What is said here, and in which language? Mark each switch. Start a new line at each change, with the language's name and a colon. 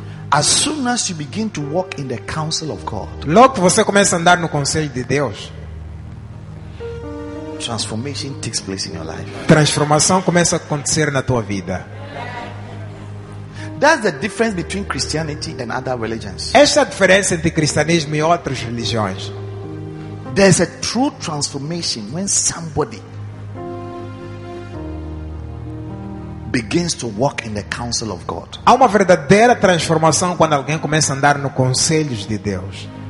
English: As soon as you begin to walk in the counsel of God,
Portuguese: logo você começa a andar no conselho de Deus,
English: transformation takes place in your life.
Portuguese: Transformação começa a acontecer na tua vida.
English: That's the difference between Christianity and other religions.
Portuguese: Essa é a diferença entre cristianismo e outras religiões.
English: There's a true transformation when somebody begins to walk in the counsel of God.
Portuguese: Há uma verdadeira transformação quando alguém começa a andar nos conselhos de Deus.